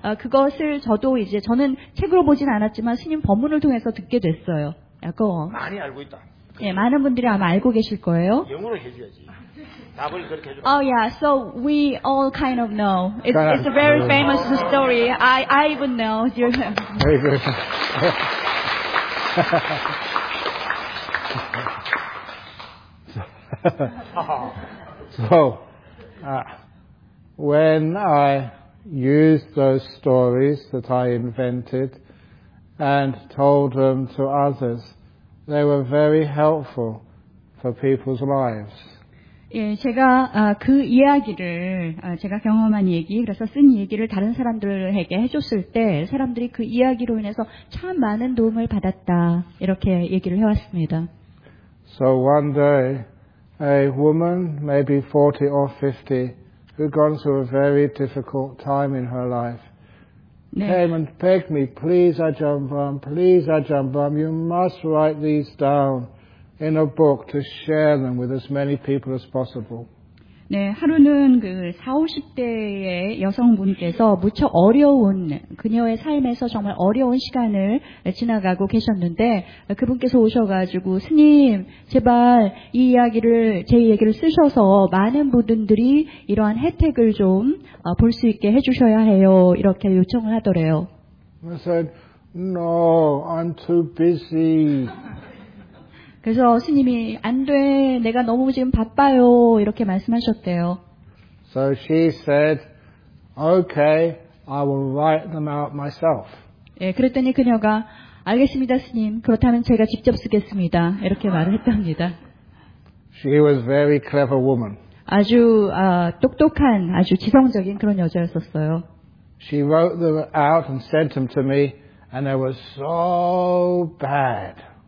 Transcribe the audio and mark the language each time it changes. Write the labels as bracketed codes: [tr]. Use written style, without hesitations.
[ko] 그것을 저도 이제 저는 책으로 보진 않았지만 스님 법문을 통해서 듣게 됐어요. 많이 알고 있다. 예, 많은 분들이 아마 알고 계실 거예요. 영어로 해줘야지. [en] Oh yeah, so we all kind of know. It's a very famous story. I even know. Very good. So, when I used those stories that I invented and told them to others, they were very helpful for people's lives. [ko] 예, 제가 그 이야기를 제가 경험한 얘기, 그래서 쓴 얘기를 다른 사람들에게 해줬을 때 사람들이 그 이야기로 인해서 참 많은 도움을 받았다 이렇게 얘기를 해왔습니다. [en] So one day, a woman, maybe 40 or 50, who'd gone through a very difficult time in her life, 네. came and begged me, "Please, Ajahn Brahm, please, Ajahn Brahm, you must write these down." In a book to share them with as many people as possible. [ko] 네, 하루는 그 40, 50대의 여성분께서 무척 어려운 그녀의 삶에서 정말 어려운 시간을 지나가고 계셨는데 그분께서 오셔가지고 스님, 제발 이 이야기를 제 얘기를 쓰셔서 많은 분들이 이러한 혜택을 좀 볼 수 있게 해주셔야 해요 이렇게 요청을 하더래요. [en] I said, "No, I'm too busy." [ko] 그래서 스님이 안 돼, 내가 너무 지금 바빠요 이렇게 말씀하셨대요. [en] So she said, "Okay, I will write them out myself." [ko] 예, 그랬더니 그녀가 알겠습니다, 스님. 그렇다면 제가 직접 쓰겠습니다. 이렇게 말을 했답니다. [en] She was very clever woman. [ko] 아주 똑똑한, 아주 지성적인 그런 여자였었어요. [en] She wrote them out and sent them to me, and they were so bad.